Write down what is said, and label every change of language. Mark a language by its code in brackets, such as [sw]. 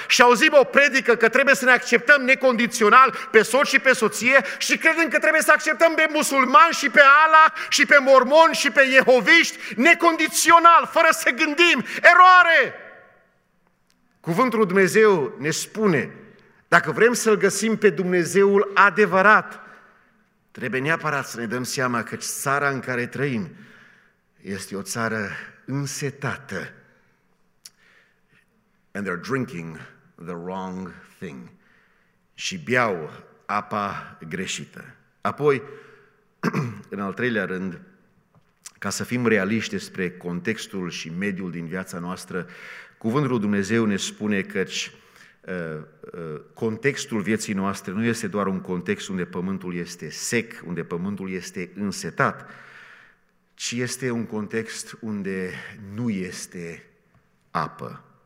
[ro] Și auzim o predică că trebuie să ne acceptăm necondițional pe soț și pe soție și credem că trebuie să acceptăm pe musulmani și pe Allah și pe mormoni și pe jehoviști necondițional, fără să gândim. Eroare! Cuvântul lui Dumnezeu ne spune, dacă vrem să-L găsim pe Dumnezeul adevărat, trebuie neapărat să ne dăm seama că țara în care trăim este o țară însetată. [en] And they're drinking the wrong thing. [ro] Și beau apa greșită. Apoi, în al treilea rând, ca să fim realiști despre contextul și mediul din viața noastră, Cuvântul lui Dumnezeu ne spune că contextul vieții noastre nu este doar un context unde pământul este sec, unde pământul este însetat, ci este un context unde nu este apă.